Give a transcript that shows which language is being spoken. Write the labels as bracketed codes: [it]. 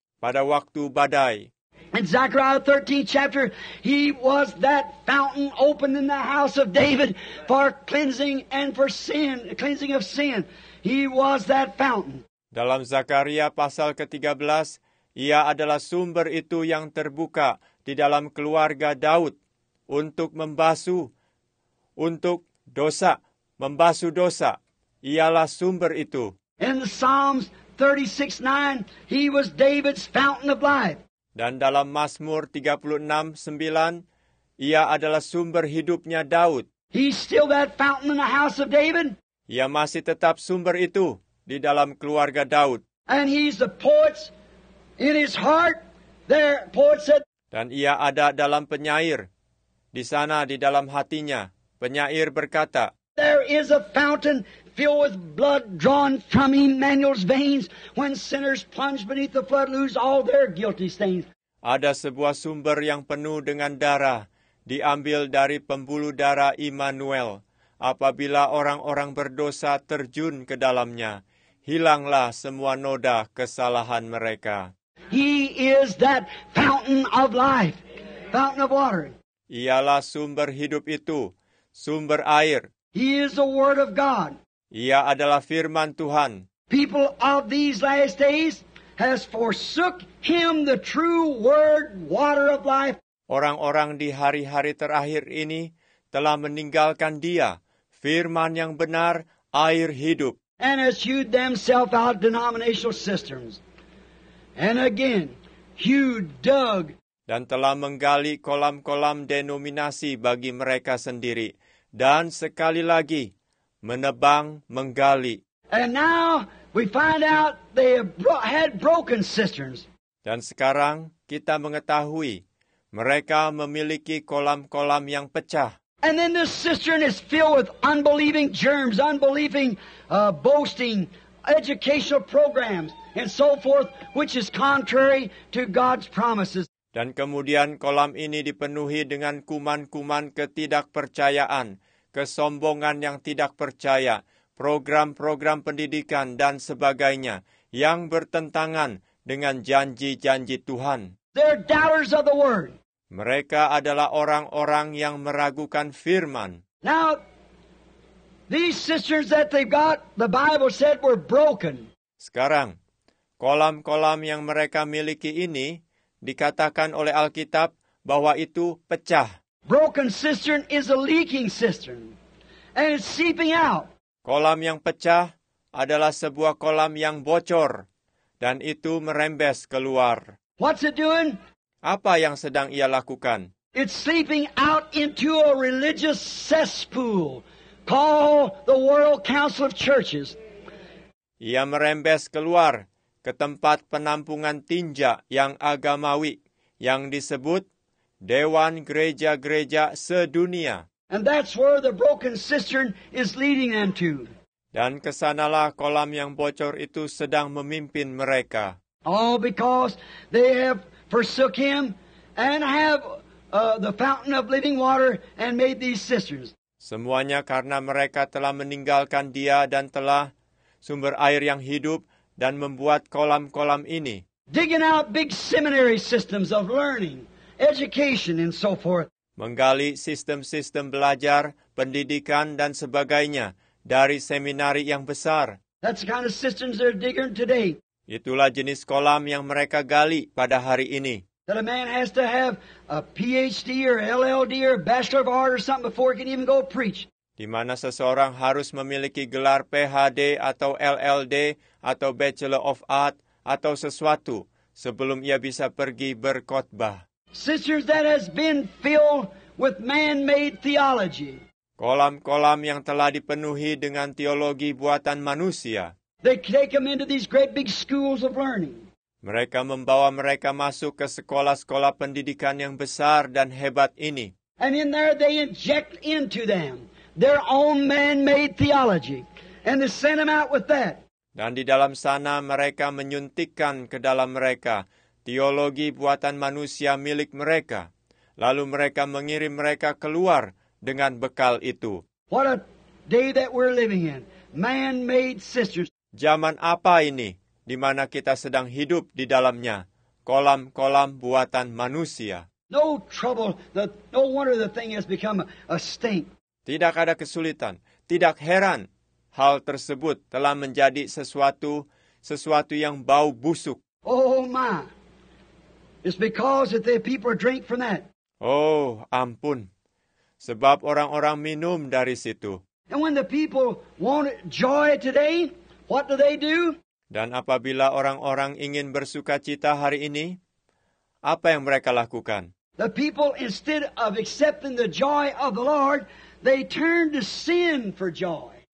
[id] Pada waktu badai. [en] In Zechariah 13 chapter, he was that fountain opened in the house of David for cleansing and for sin, cleansing of sin. He was that fountain. [id] Dalam Zakaria pasal ke-13, ia adalah sumber itu yang terbuka di dalam keluarga Daud. Untuk membasuh, untuk dosa, membasuh dosa, ialah sumber itu. [en] In Psalms 36:9, he was David's fountain of life. [id] Dan dalam Mazmur 36:9, ia adalah sumber hidupnya Daud. [en] He's still that fountain in the house of David. [id] Ia masih tetap sumber itu di dalam keluarga Daud. [en] And he's the poet in his heart. There, poet said. [id] Dan ia ada dalam penyair. Di sana, di dalam hatinya, penyair berkata, [en] there is a fountain filled with blood drawn from Emmanuel's veins when sinners plunge beneath the flood lose all their guilty stains. [id] Ada sebuah sumber yang penuh dengan darah diambil dari pembuluh darah Immanuel. Apabila orang-orang berdosa terjun ke dalamnya, hilanglah semua noda kesalahan mereka. [en] He is that fountain of life, fountain of water. [id] Ialah sumber hidup itu, sumber air. [en] He is the word of God. [id] Ia adalah firman Tuhan. [en] People of these last days has forsook him, the true word, water of life. [id] Orang-orang di hari-hari terakhir ini telah meninggalkan dia, firman yang benar, air hidup. [en] And hewed themselves out denominational systems. And again, hewed dug. [id] Dan telah menggali kolam-kolam denominasi bagi mereka sendiri. Dan sekali lagi, menebang, menggali. [en] And now we find out they had broken cisterns. [id] Dan sekarang kita mengetahui mereka memiliki kolam-kolam yang pecah. [en] And then this cistern is filled with unbelieving germs, unbelieving boasting, educational programs, and so forth, which is contrary to God's promises. [id] Dan kemudian kolam ini dipenuhi dengan kuman-kuman ketidakpercayaan, kesombongan yang tidak percaya, program-program pendidikan dan sebagainya yang bertentangan dengan janji-janji Tuhan. [en] They're doubters of the word. [id] Mereka adalah orang-orang yang meragukan firman. [en] Now, these sisters that they've got, the Bible said were broken. [id] Sekarang, kolam-kolam yang mereka miliki ini dikatakan oleh Alkitab bahwa itu pecah. [en] Broken cistern is a leaking cistern and it's seeping out. [id] Kolam yang pecah adalah sebuah kolam yang bocor dan itu merembes keluar. [en] What's it doing? [id] Apa yang sedang ia lakukan? [en] It's seeping out into a religious cesspool called the World Council of Churches. [id] Ia merembes keluar ke tempat penampungan tinja yang agamawi yang disebut Dewan Gereja-Gereja Sedunia. [en] And that's where the broken cistern is leading them to. [id] Dan kesanalah kolam yang bocor itu sedang memimpin mereka. [en] All because they have forsook him and have the fountain of living water and made these cisterns. [id] Semuanya karena mereka telah meninggalkan dia dan telah sumber air yang hidup dan membuat kolam-kolam ini. [en] Digging out big seminary systems of learning, education and so forth. [id] Menggali sistem-sistem belajar, pendidikan dan sebagainya dari seminari yang besar. [en] That's the kind of systems they're digging today. [id] Itulah jenis kolam yang mereka gali pada hari ini. [en] That a man has to have a PhD or LLD or Bachelor of Art or something before he can even go preach. [id] Di mana seseorang harus memiliki gelar PhD atau LLD atau Bachelor of Art atau sesuatu sebelum ia bisa pergi berkhotbah. [en] Sisters that has been filled with man-made theology. [id] Kolam-kolam yang telah dipenuhi dengan teologi buatan manusia. [en] They take them into these great big schools of learning. [id] Mereka membawa mereka masuk ke sekolah-sekolah pendidikan yang besar dan hebat ini. [en] And in there they inject into them their own man-made theology and they send them out with that. [id] Dan di dalam sana mereka menyuntikkan ke dalam mereka teologi buatan manusia milik mereka. Lalu mereka mengirim mereka keluar dengan bekal itu. [en] What a day that we're living in. Man-made cisterns. [id] Zaman apa ini di mana kita sedang hidup di dalamnya? Kolam-kolam buatan manusia. [en] No trouble. No wonder the thing has become a stink. [id] Tidak ada kesulitan. Tidak heran hal tersebut telah menjadi sesuatu yang bau busuk. [en] Oh my. It's because if the people drink from that. [id] Oh, ampun. Sebab orang-orang minum dari situ. [en] And when the people want joy today, what do they do? [id] Dan apabila orang-orang ingin bersukacita hari ini, apa yang mereka lakukan? [en] The people, instead of accepting the joy of the Lord, they turn to sin for joy.